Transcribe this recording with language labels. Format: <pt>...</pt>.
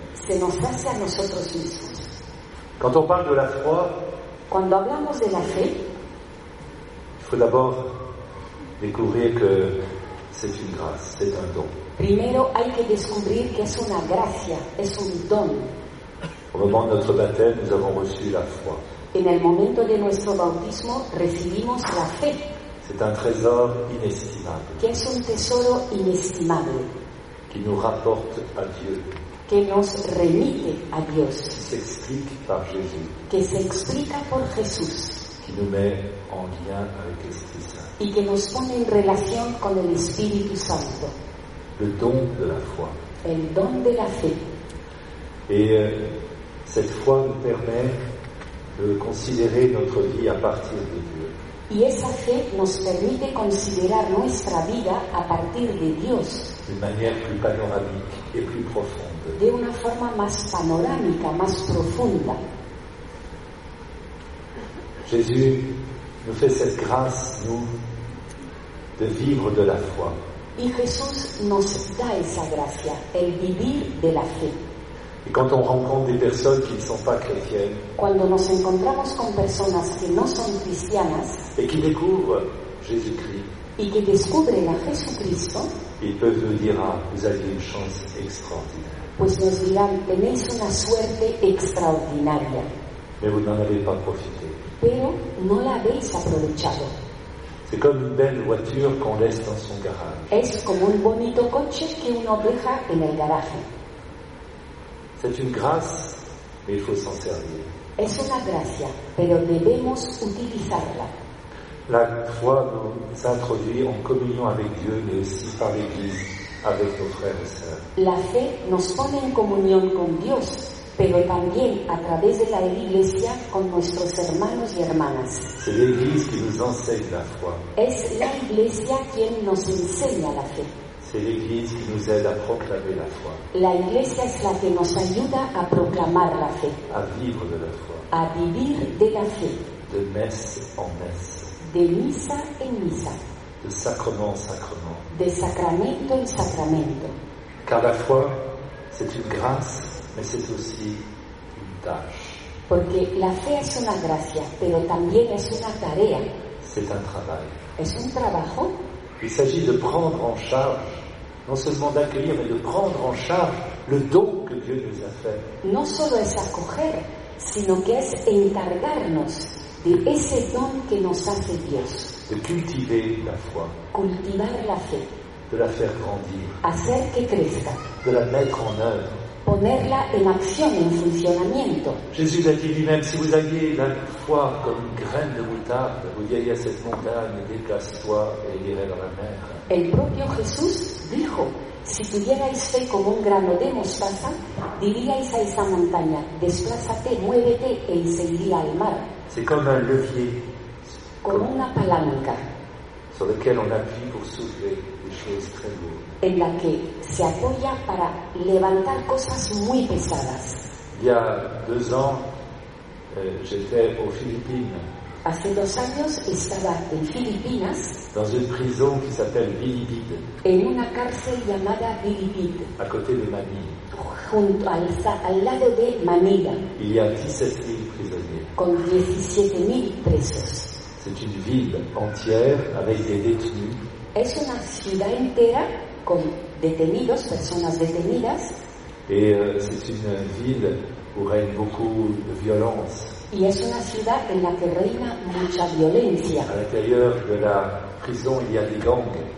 <es>Se nos hace a nosotros mismos.</es> <fr>Quand on parle de la foi,</fr> <es>cuando hablamos de la fe,</es> <fr>il faut d'abord découvrir que c'est une grâce, c'est un don.</fr> <es>Primero hay que descubrir que es una gracia, es un don.</es> <fr>Au moment de notre baptême, nous avons reçu la foi.</fr> <es>En el momento de nuestro bautismo recibimos la fe.</es> <fr>C'est un trésor inestimable.</fr> <es>Que es un tesoro inestimable.</es> <fr>Qui nous rapporte à Dieu.</fr> <es>Que nos remite a Dios.</es> <fr>Qui s'explique par Jésus.</fr> <es>Que se explica por Jesús.</es> <fr>Qui nous met en lien avec l'Esprit Saint.</fr> <es>Y que nos pone en relación con el Espíritu Santo.</es> <fr>Le don de la foi.</fr> <es>El don de la fe.</es> <fr>Et cette foi nous permet de considérer notre vie à partir de Dieu.</fr> <es>Y esa fe nos permite considerar nuestra vida a partir de Dios.</es> <fr>D'une manière plus panoramique et plus profonde.</fr> <es>De una forma más panorámica, más profunda.</es> <fr>Jésus nous fait cette grâce, nous, de vivre de la foi.</fr> <es>Y Jesús nos da esa gracia, el vivir de la fe.</es> <fr>Et quand on rencontre des personnes qui ne sont pas chrétiennes,</fr> <es>cuando nos encontramos con personas que no son cristianas,</es> <fr>et qui découvrent Jésus-Christ,</fr> <es>y que descubren a Jesucristo,</es> <fr>ils peuvent nous dire: ah, vous avez une chance extraordinaire.</fr> <es>Pues nos dirán: tenéis una suerte extraordinaria.</es> <fr>Mais vous n'en avez pas profité.</fr> <es>Pero no la habéis aprovechado.</es> <fr>C'est comme une belle voiture qu'on laisse dans son garage.</fr> <es>Es como un bonito coche que uno deja en el garaje.</es> <fr>C'est une grâce, mais il faut s'en servir.</fr> <es>Es una gracia, pero debemos utilizarla.</es> <fr>La foi nous introduit en communion avec Dieu, mais aussi par l'Église, avec nos frères et sœurs.</fr> <es>La fe nos pone en comunión con Dios, pero también a través de la Iglesia con nuestros hermanos y hermanas.</es> <fr>C'est l'Église qui nous enseigne la foi.</fr> <es>Es la Iglesia quien nos enseña la fe.</es> <fr>C'est l'Église qui nous aide à proclamer la foi.</fr> <es>La Iglesia es la que nos ayuda a proclamar la fe.</es> <fr>À vivre de la foi.</fr> <es>A vivir de la fe.</es> <fr>De messe en messe.</fr> <es>De misa en misa.</es> <fr>De sacrement en sacrement.</fr> <es>De sacramento en sacramento.</es> <fr>Car la foi, c'est une grâce, mais c'est aussi une tâche.</fr> <es>Porque la fe es una gracia, pero también es una tarea.</es> <fr>C'est un travail.</fr> <es>Es un trabajo.</es> <fr>Il s'agit de prendre en charge, non seulement d'accueillir, mais de prendre en charge le don que Dieu nous a fait.</fr> <es>No solo es acoger, sino que es encargarnos de ese don que nos hace Dios.</es> <fr>De cultiver la foi.</fr> <es>Cultivar la fe.</es> <fr>De la faire grandir.</fr> <es>Hacer que crezca.</es> <fr>De la mettre en œuvre.</fr> <es>Ponerla en acción, en funcionamiento.</es> <fr>Jésus a dit lui-même, si vous aviez la foi comme une graine de moutarde, vous diriez à cette montagne, déplace-toi et irai dans la mer.</fr> <es>El propio Jesús dijo, si tuvierais fe como un grano de mostaza, diríais a esa montaña, desplázate, muévete e seguiría al mar.</es> <fr>C'est comme un levier.</fr> <es>Como una palanca.</es> <fr>Sur lequel on appuie pour soulever des choses très lourdes.</fr> <es>En la que se apoya para levantar cosas muy pesadas.</es> <fr>Il y a deux ans, j'étais aux Philippines.</fr> <es>Hace dos años estaba en Filipinas.</es> <fr>Dans une prison qui s'appelle Bilibid.</fr> <es>En una cárcel llamada Bilibid.</es> <fr>À côté de Manila.</fr> <es>Junto al lado de Manila.</es> <fr>Il y a 17,000 prisonniers.</fr> <es>Con 17,000 presos.</es> <fr>C'est une ville entière avec des détenus.</fr> <es>Es una ciudad entera con detenidos, personas detenidas.</es> <fr>Et c'est une ville où règne beaucoup de violence.</fr> <es>Y es una ciudad en la que reina mucha violencia.</es> <fr>À l'intérieur de la prison, il y a des gangs.</fr>